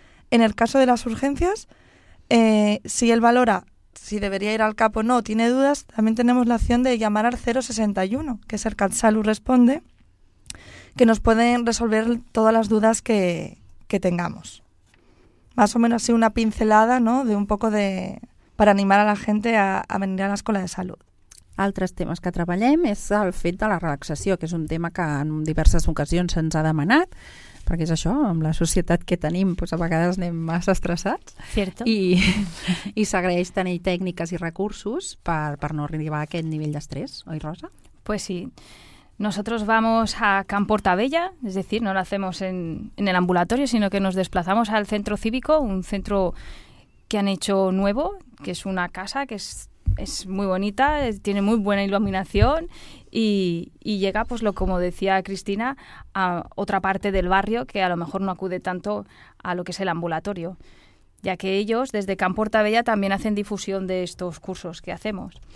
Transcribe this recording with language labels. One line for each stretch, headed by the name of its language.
Spanish: En el caso de las urgencias, si él valora si debería ir al CAP o no, tiene dudas, también tenemos la opción de llamar al 061, que es el CatSalud Responde, que nos pueden resolver todas las dudas que tengamos. Más o menos así una pincelada, ¿no?, de un poco de para animar a la gente a venir a l'Escola de Salut.
Catalan: Altres temes que treballem és el fet de la relaxació, que és un tema que en diverses ocasions se'ns ha demanat, perquè és això, amb la societat que tenim, doncs a vegades anem massa estressats.
Spanish: Cierto.
Catalan: I s'agraeix tenir tècniques i recursos per no arribar a aquest nivell d'estrès, oi, Rosa?
Spanish: Pues sí. Nosotros vamos a Can Portabella, es decir, no lo hacemos en el ambulatorio, sino que nos desplazamos al centro cívico, un centro que han hecho nuevo, que es una casa que es muy bonita, tiene muy buena iluminación y llega, pues lo como decía Cristina, a otra parte del barrio que a lo mejor no acude tanto a lo que es el ambulatorio, ya que ellos desde Can Portabella también hacen difusión de estos cursos que hacemos.